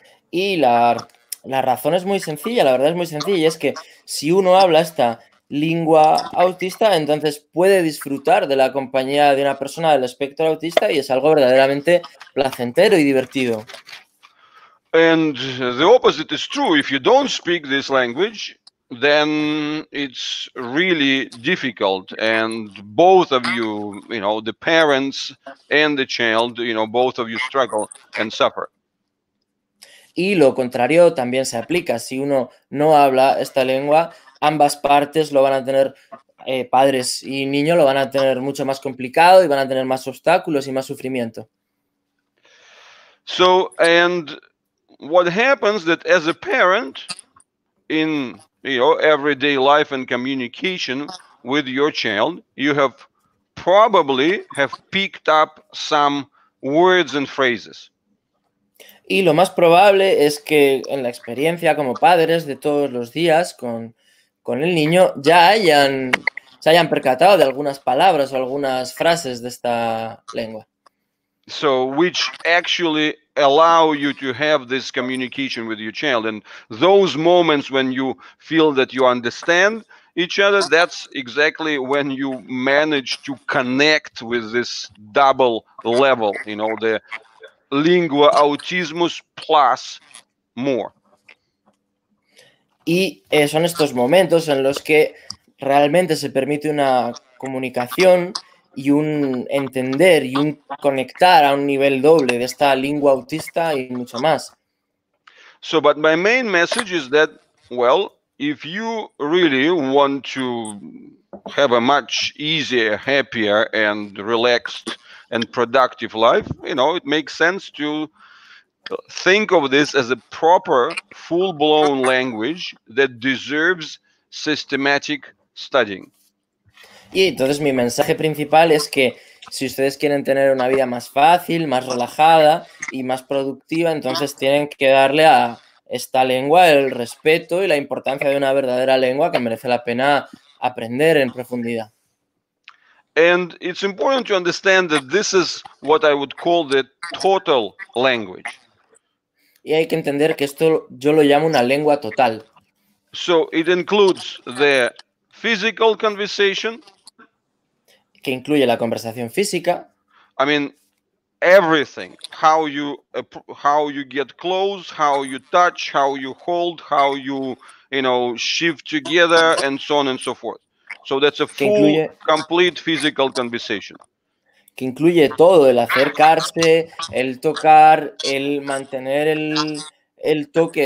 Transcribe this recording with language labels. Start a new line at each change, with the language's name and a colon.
Spanish: Y la razón es muy sencilla, la verdad es muy sencilla, y es que si uno habla esta lengua autista, entonces puede disfrutar de la compañía de una persona del espectro autista, y es algo verdaderamente placentero y divertido.
English: And the opposite is true. If you don't speak this language, then it's really difficult. And both of you, you know, the parents and the child, you know, both of you struggle and suffer.
Spanish: Y lo contrario también se aplica. Si uno no habla esta lengua, ambas partes lo van a tener, padres y niño, lo van a tener mucho más complicado y van a tener más obstáculos y más sufrimiento.
English: So, and what happens that as a parent in, you know, everyday life and communication with your child, you have probably have picked up some words and phrases.
Spanish: Y lo más probable es que en la experiencia como padres de todos los días con el niño ya hayan, se hayan percatado de algunas palabras o algunas frases de esta lengua.
English: So, which actually allow you to have this communication with your child. And those moments when you feel that you understand each other, that's exactly when you manage to connect with this double level, you know, the lingua autismus plus more.
Spanish: Y son estos momentos en los que realmente se permite una comunicación y un entender y un conectar a un nivel doble de esta lengua autista y mucho más.
English: So, but my main message is that, well, if you really want to have a much easier, happier and relaxed and productive life, you know, it makes sense to think of this as a proper, full-blown language that deserves systematic studying.
Spanish: Y entonces mi mensaje principal es que si ustedes quieren tener una vida más fácil, más relajada y más productiva, entonces tienen que darle a esta lengua el respeto y la importancia de una verdadera lengua que merece la pena aprender en profundidad.
English: And it's important to understand that this is what I would call the total language.
Spanish: Y hay que entender que esto yo lo llamo una lengua total.
English: So it includes the physical conversation,
Spanish: que incluye la conversación física.
English: I mean, everything. How you get close, how you touch, how you hold, how you, you know, shift together, and so on and so forth. So that's a full, incluye, complete physical conversation.
Spanish: Que incluye todo, el acercarse, el tocar, el mantener el toque.